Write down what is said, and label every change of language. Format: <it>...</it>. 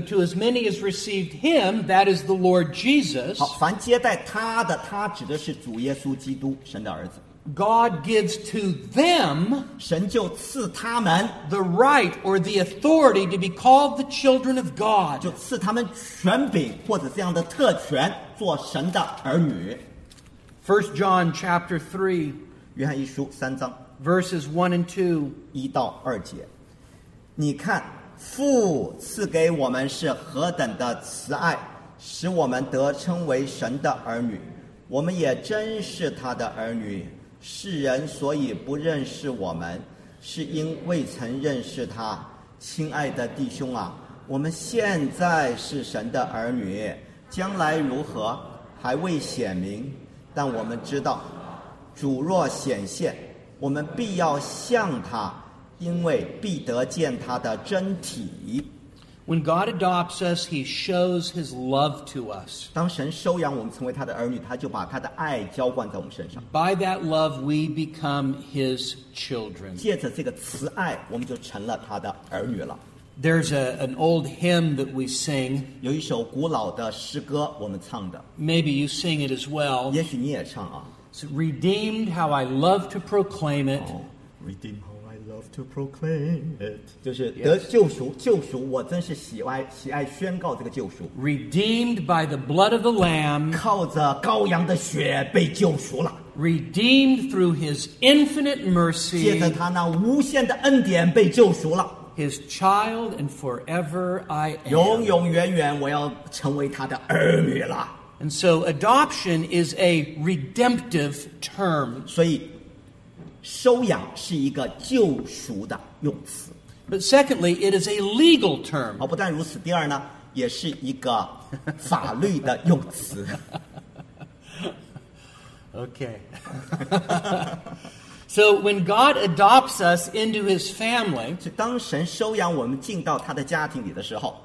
<en>to as many as received him, that is the Lord Jesus.</en> <zh>好，凡接待他的，他指的是主耶稣基督，神的儿子。</zh> <en>God gives to them</en> <zh>神就赐他们,</zh> <en>the right or the authority to be called the children of God.</en> <zh>就赐他们权柄或者这样的特权做神的儿女。</zh> <en>1 John chapter 3,</en> <zh>约翰一书三章,</zh> <en>verses 1 and 2.</en> <zh>1到2节, 你看父赐给我们是何等的慈爱, 使我们得称为神的儿女, 我们也真是他的儿女。世人所以不认识我们, 是因未曾认识他。亲爱的弟兄啊, 我们现在是神的儿女, 将来如何? 还未显明, 但我们知道, 主若显现, 我们必要向他, 因为必得见他的真体。</zh> <en>When God adopts us, He shows His love to us.</en> <zh>当神收养我们成为他的儿女, 他就把他的爱浇灌在我们身上。</zh> <en>By that love, we become His children.</en> <zh>借着这个慈爱, 我们就成了他的儿女了。</zh> <en>There's an old hymn that we sing.</en> <zh>有一首古老的诗歌, 我们唱的。</zh> <en>Maybe you sing it as well.</en> <zh>也许你也唱啊。</zh> <en>It's Redeemed, How I Love to Proclaim It. Oh, Redeemed. Love to proclaim it.</en> <zh>就是得救赎,</zh> <en>yes.</en> <zh>救赎我真是喜爱宣告这个救赎。</zh> <en>Redeemed by the blood of the Lamb.</en> <zh>靠着羔羊的血被救赎了。</zh> <en>Redeemed through His infinite mercy.</en> <zh>借着他那无限的恩典被救赎了。</zh> <en>His child and forever I am.</en> <zh>永永远远我要成为他的儿女了。</zh> <en>And so adoption is a redemptive term.</en> <zh>所以 收养是一个救赎的用词。</zh> <en>But secondly, it is a legal term.</en> <zh>不但如此, 第二呢, 也是一个法律的用词。</zh> <en>Okay. So when God adopts us into His family,</en> <zh>当神收养我们进到他的家庭里的时候,</zh>